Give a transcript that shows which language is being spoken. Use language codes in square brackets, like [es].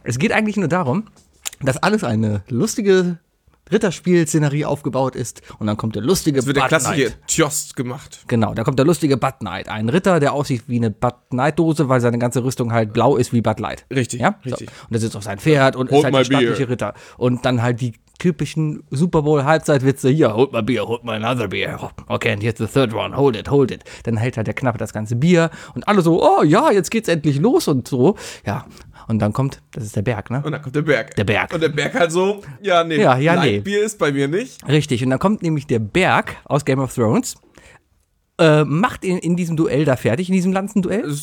[de] Es geht eigentlich nur darum, dass alles eine lustige Ritterspiel-Szenerie aufgebaut ist und dann kommt der lustige Bud Knight. Das wird der klassische Tjost gemacht. Genau, da kommt der lustige Bud Knight. Ein Ritter, der aussieht wie eine Bud Knight-Dose, weil seine ganze Rüstung halt blau ist wie Bud Light. Richtig, ja? Richtig. So. Und er sitzt auf seinem Pferd und ist halt der staatliche Ritter. Und dann halt die typischen Super Bowl-Halbzeitwitze. [en] Hier, hold my beer, hold my another beer. Okay, and here's the third one, hold it. [de] Dann hält halt der Knappe das ganze Bier und alle so, oh ja, jetzt geht's endlich los und so. Ja, und dann kommt, das ist der Berg, ne? Und dann kommt der Berg. Der Berg. Und der Berg halt so, ja, nee, ja, Lightbier nee. Ist bei mir nicht. Richtig, und dann kommt nämlich der Berg aus Game of Thrones, macht in diesem Duell da fertig, in diesem Lanzenduell.